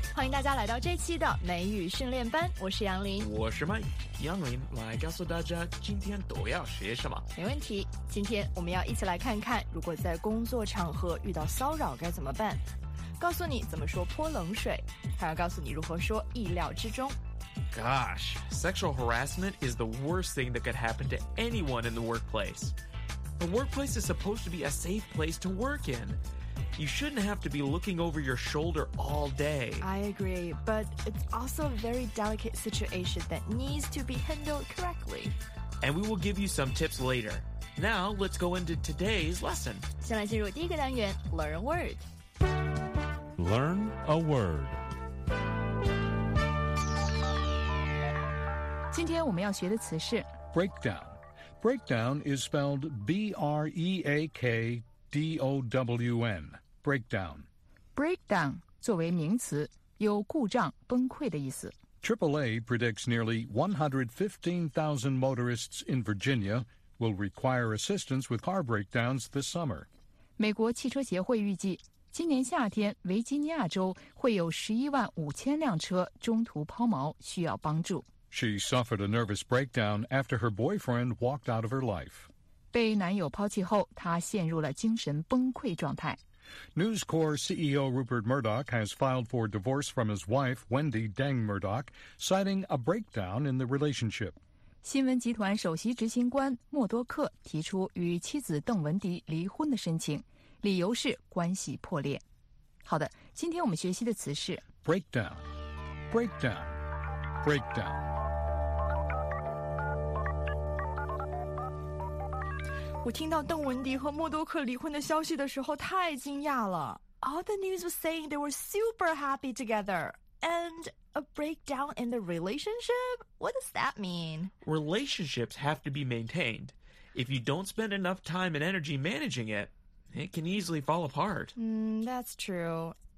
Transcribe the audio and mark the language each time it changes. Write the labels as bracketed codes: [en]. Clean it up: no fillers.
[zh] 大家来到这期的美语训练班，我是杨林，我是麦杨林，来告诉大家今天都要学什么。没问题，今天我们要一起来看看，如果在工作场合遇到骚扰该怎么办，告诉你怎么说泼冷水，还要告诉你如何说意料之中。 [en] Gosh, sexual harassment is the worst thing that could happen to anyone in the workplace. The workplace is supposed to be a safe place to work in. You shouldn't have to be looking over your shoulder all day. I agree, but it's also a very delicate situation that needs to be handled correctly. And we will give you some tips later. Now, let's go into today's lesson. [zh] 先来进入第一个单元 Learn a word. [en] Learn a word. [zh] 今天我们要学的词是 [en] breakdown. Breakdown is spelled B-R-E-A-K-D-O-W-N. Breakdown. [zh] Breakdown 作为名词，有故障、崩溃的意思。 [en] AAA predicts nearly 115,000 motorists in Virginia will require assistance with car breakdowns this summer. [zh] 美国汽车协会预计，今年夏天维吉尼亚州会有115,000辆车中途抛锚，需要帮助。 [en] She suffered a nervous breakdown after her boyfriend walked out of her life. [zh] 被男友抛弃后，她陷入了精神崩溃状态。 [en] News Corp CEO Rupert Murdoch has filed for divorce from his wife, Wendy Deng Murdoch, citing a breakdown in the relationship. [zh] 新闻集团首席执行官默多克提出与妻子邓文迪离婚的申请，理由是关系破裂。好的，今天我们学习的词是 [en] breakdown, breakdown. Breakdown. [zh] 我听到邓文迪和默多克离婚的消息的时候太惊讶了。 [en] All the news was saying they were super happy together. And a breakdown in the relationship? What does that mean? Relationships have to be maintained. If you don't spend enough time and energy managing it, it can easily fall apart. That's true.